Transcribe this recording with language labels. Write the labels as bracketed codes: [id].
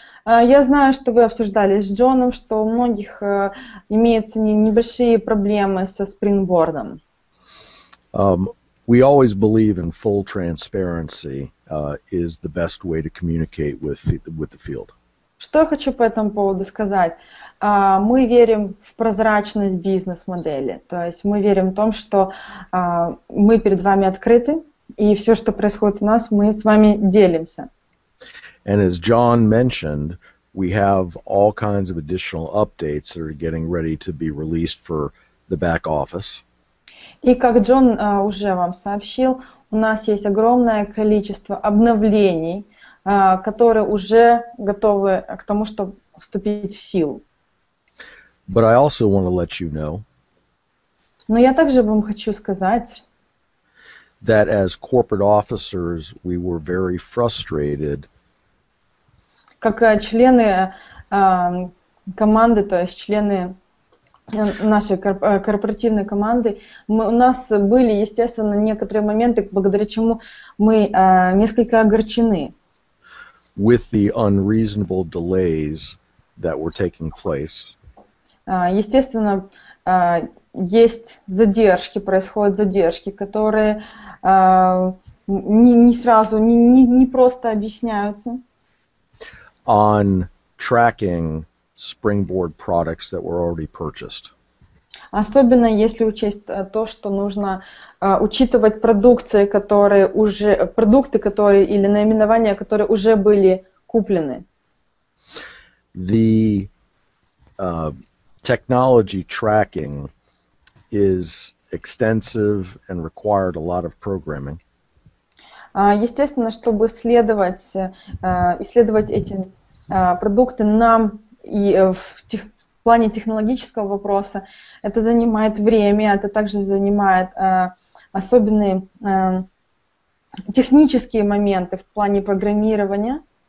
[ru] Я знаю, что вы обсуждали с Джоном, что у многих имеются небольшие проблемы со Springboard. [en] We always believe in full transparency is the best way to communicate with the field. [ru] Что я хочу по этому поводу сказать? Мы верим в прозрачность бизнес-модели. То есть мы верим в том, что мы перед вами открыты, и все, что происходит у нас, мы с вами делимся. [en] And as John mentioned, we have all kinds of additional updates that are getting ready to be released for the back office. [ru] И как Джон уже вам сообщил, у нас есть огромное количество обновлений, которые уже готовы к тому, чтобы вступить в силу. [en] But I also want to let you know, [ru] но я также вам хочу сказать, [en] that as corporate officers, we were very frustrated. [ru] Как члены команды, то есть члены нашей корпоративной команды, у нас были, естественно, некоторые моменты, благодаря чему мы несколько огорчены. [en] With the unreasonable delays that were taking place. [ru] Естественно, есть задержки, происходят задержки, которые не сразу, не просто объясняются. [en] On tracking Springboard products that were already purchased. [ru] Особенно если учесть то, что нужно учитывать продукты, которые или наименования, которые уже были куплены. [en] The technology tracking is extensive and required a lot of programming. [ru] Естественно, чтобы исследовать эти продукты, нам и в плане технологического вопроса это занимает время, это также занимает особенные технические моменты в плане программирования.